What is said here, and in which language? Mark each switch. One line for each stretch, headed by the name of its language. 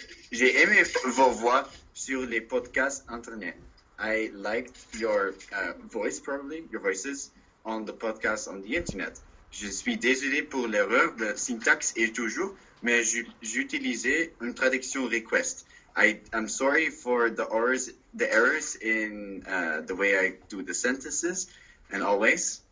French: J'ai aimé vos voix sur les podcasts internet.
English: I liked your voice, probably your voices on the podcast on the internet.
French: Je suis désolé pour l'erreur de syntaxe et toujours, mais j'utilisais une traduction request.
English: I'm sorry for the errors in the way I do the sentences and always.